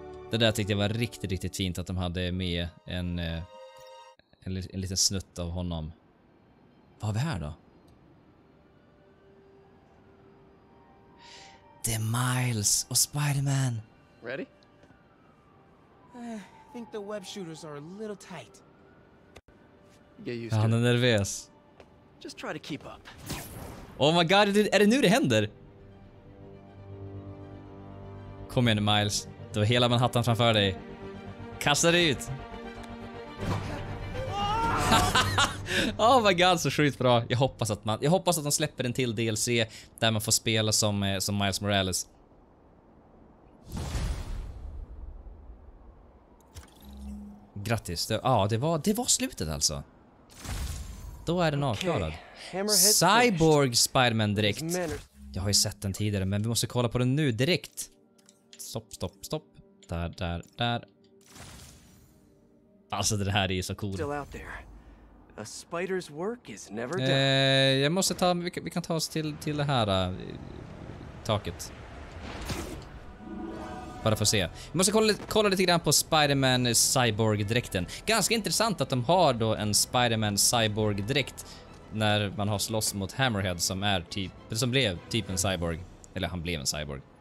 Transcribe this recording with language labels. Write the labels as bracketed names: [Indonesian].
[Swedish] Det där tyckte jag var riktigt, riktigt fint att de hade med en liten snutt av honom. Vad har vi här då? Det är Miles och Spider-Man. [English] Ready? I think the web shooters are a little tight. Get used to it. [Swedish] Han är nervös. [English] Just try to keep up. Oh my god, [Swedish] är det nu det händer? Kom igen, Miles. Du har hela Manhattan framför dig. Kasta dig ut. [English] Oh my god, [Swedish] så sjukt bra. Jag hoppas att de släpper en till DLC där man får spela som Miles Morales. Grattis. Det var slutet alltså. Då är den avklarad. Cyborg Spider-Man direkt. Jag har ju sett den tidigare, men vi måste kolla på den nu direkt. Stopp. Där. Alltså det här är ju så cool. [English] Still out there. A spider's work is never done. [Swedish] Jag måste ta, vi kan ta oss till det här taket. Bara för att se. Vi måste kolla lite grann på Spider-Man Cyborg-dräkten. Ganska intressant att de har då en Spider-Man Cyborg-dräkt när man har slåss mot Hammerhead som blev typ en cyborg. Eller han blev en cyborg.